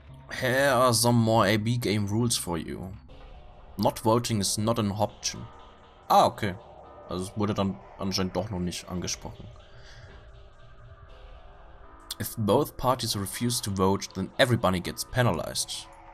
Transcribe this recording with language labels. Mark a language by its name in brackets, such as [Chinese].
[English] Here are some more AB game rules for you. Not voting is not an option. Ah, okay. [German] Also es wurde dann anscheinend doch noch nicht angesprochen. [English] If both parties refuse to vote, then everybody gets penalized.